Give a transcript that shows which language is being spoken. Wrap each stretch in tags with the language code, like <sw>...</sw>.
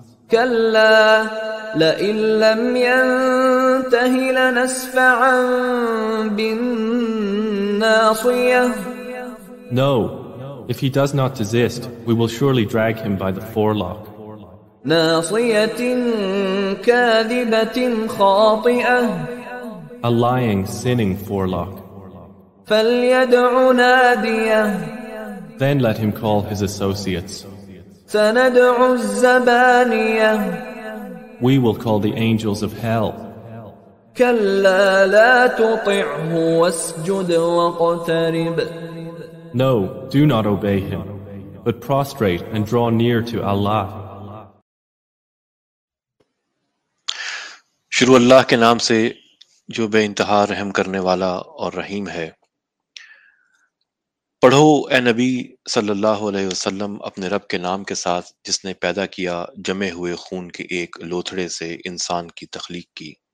<ar>كلا لئن لم ينتهي لنسفعا بالناصية.</ar> <en>No, if he does not desist, we will surely drag him by the forelock.</en> <ar>ناصية كاذبة خاطئة.</ar> <en>A lying, sinning forelock.</en> <ar>فليدع نادية.</ar> <en>Then let him call his associates.</en> <ar>سندع الزبانية.</ar> <en>We will call the angels of hell.</en> <ar>كلا لا تطعه واسجد واقترب.</ar> <en>No, do not obey him, but prostrate and draw near to Allah.</en> <ur>شروع اللہ کے نام سے جو بے انتہا رحم کرنے والا اور رحیم ہے. پڑھو اے نبی صلی اللہ علیہ وسلم اپنے رب کے نام کے ساتھ جس نے پیدا کیا جمے ہوئے خون کے ایک لوتھڑے سے انسان کی تخلیق کی.</ur>